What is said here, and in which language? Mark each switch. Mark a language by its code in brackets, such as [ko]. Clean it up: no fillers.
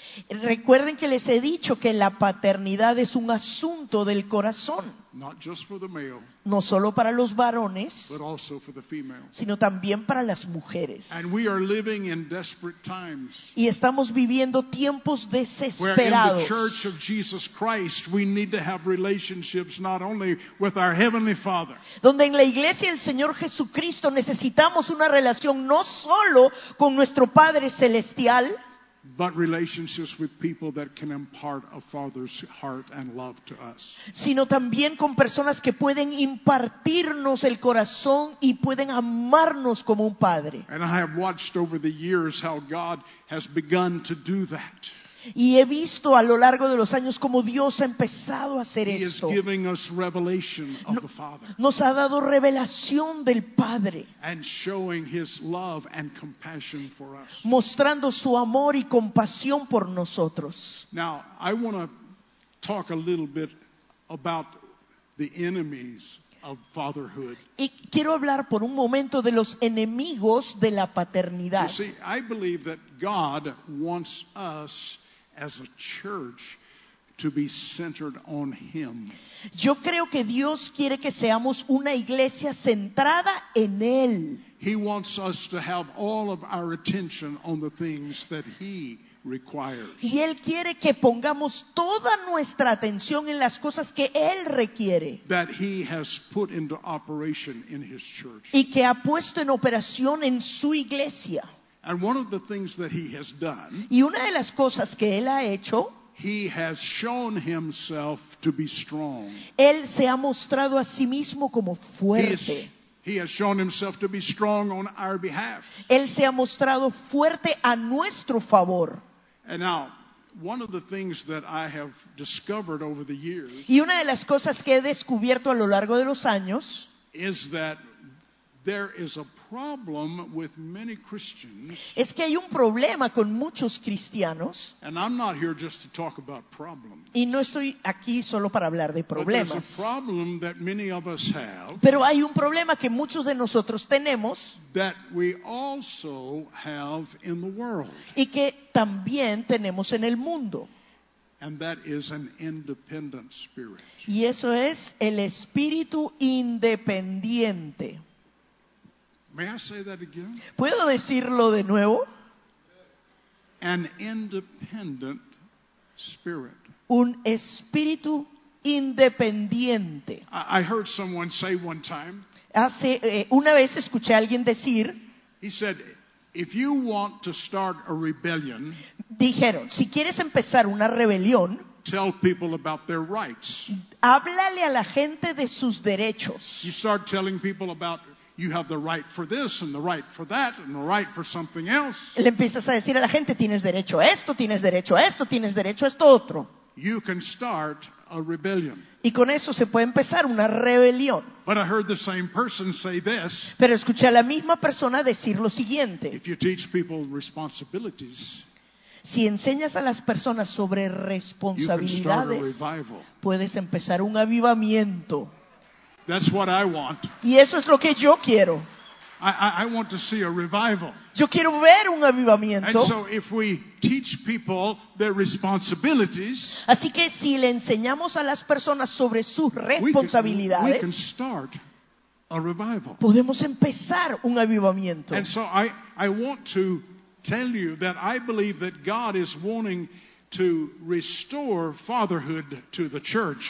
[es] Recuerden que les he dicho que la paternidad es un asunto del corazón. [en] Not just for the male, [es] no solo para los varones, [en] but also for the female, [es] sino también para las mujeres. [en] And we are living in desperate times, [es] y estamos viviendo tiempos desesperados, [en] where in the Church of Jesus Christ we need to have relationships not only with our Heavenly Father, [es] donde en la Iglesia del Señor Jesucristo necesitamos una relación no solo con nuestro Padre Celestial, [en] but relationships with people that can impart a father's heart and love to us. [es] Sino también con personas que pueden impartirnos el corazón y pueden amarnos como un padre. [en] And I have watched over the years how God has begun to do that. [es] Y he visto a lo largo de los años cómo Dios ha empezado a hacer esto. [en] He is giving us revelation of the Father. [es] Nos ha dado revelación del Padre. [en] And showing his love and compassion for us. [es] Mostrando su amor y compasión por nosotros. [en] Now, I want to talk a little bit about the enemies of fatherhood. [es] Y quiero hablar por un momento de los enemigos de la paternidad. [en] You see, I believe that God wants us as a church to be centered on him. [es] Yo creo que Dios quiere que seamos una iglesia centrada en él. [en] He wants us to have all of our attention on the things that he requires. [es] Y él quiere que pongamos toda nuestra atención en las cosas que él requiere. [en] That he has put into operation in his church. [es] Y que ha puesto en operación en su iglesia. [en] And one of the things that he has done, [es] y una de las cosas que él ha hecho, [en] he has shown himself to be strong. [es] Él se ha mostrado a sí mismo como fuerte. [en] He has shown himself to be strong on our behalf. [es] Él se ha mostrado fuerte a nuestro favor. [en] And now, one of the things that I have discovered over the years, [es] y una de las cosas que he descubierto a lo largo de los años, [en] is that there is a problem with many Christians. [es] Es que hay un problema con muchos cristianos. [en] And I'm not here just to talk about problems. [es] Y no estoy aquí solo para hablar de problemas. [en] But there's a problem that many of us have. [es] Pero hay un problema que muchos de nosotros tenemos. [en] That we also have in the world. [es] Y que también tenemos en el mundo. [en] And that is an independent spirit. [es] Y eso es el espíritu independiente. [en] May I say that again? [es] ¿Puedo decirlo de nuevo? [en] An independent spirit. [es] Un espíritu independiente. [en] I heard someone say one time. [es] Una vez escuché a alguien decir. [en] He said, "If you want to start a rebellion." [es] Dijeron, si quieres empezar una rebelión. [en] Tell people about their rights. [es] Háblale a la gente de sus derechos. [en] You start telling people about You have the right for this and the right for that and the right for something else. [es] Le empiezas a decir a la gente, tienes derecho a esto, tienes derecho a esto, tienes derecho a esto otro. [en] You can start a rebellion. [es] Y con eso se puede empezar una rebelión. [en] But I heard the same person say this. [es] Pero escuché a la misma persona decir lo siguiente. [en] If you teach people responsibilities, [es] si enseñas a las personas sobre responsabilidades, [en] you can start a revival. [es] Puedes empezar un avivamiento. [en] That's what I want. [es] Y eso es lo que yo quiero. [en] I want to see a revival. [es] Yo quiero ver un avivamiento. [en] And so if we teach people their responsibilities, [es] así que si le enseñamos a las personas sobre sus responsabilidades, [en] we can start a revival. [es] Podemos empezar un avivamiento. [en] And so I want to tell you that I believe that God is wanting to restore fatherhood to the church.